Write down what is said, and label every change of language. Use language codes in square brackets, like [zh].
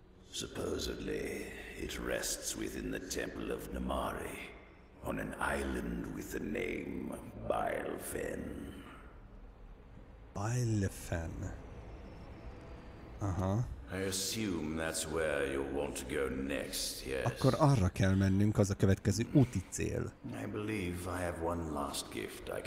[en] Supposedly, it rests within the temple of Namari on an island with the name Bylefen. Bylefen. Aha. I assume that's where you want to go next, yes. [hu] Akkor arra kell mennünk, az a következő úti cél. [en] I believe I have one last gift I can offer.